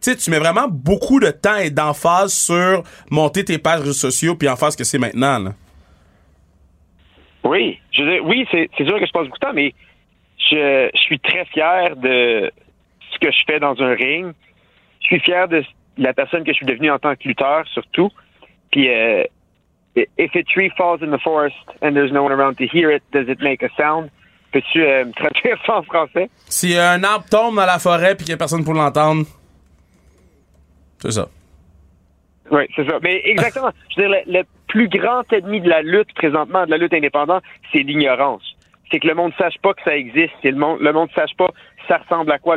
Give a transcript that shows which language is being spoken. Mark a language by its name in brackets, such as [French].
[French] Tu sais, tu mets vraiment beaucoup de temps et d'emphase sur monter tes pages sociaux puis en faire ce que c'est maintenant, là. Oui, je veux dire, oui, c'est sûr que je passe beaucoup de temps, mais je suis très fier de ce que je fais dans un ring. Je suis fier de la personne que je suis devenu en tant que lutteur, surtout. Puis, [English] if a tree falls in the forest and there's no one around to hear it, does it make a sound? [French] Peux-tu me traduire ça en français? Si un arbre tombe dans la forêt puis qu'il y a personne pour l'entendre, c'est ça. Oui, c'est ça. Mais exactement. Je veux dire, le plus grand ennemi de la lutte présentement, de la lutte indépendante, c'est l'ignorance. C'est que le monde sache pas que ça existe. C'est le monde sache pas ça ressemble à quoi.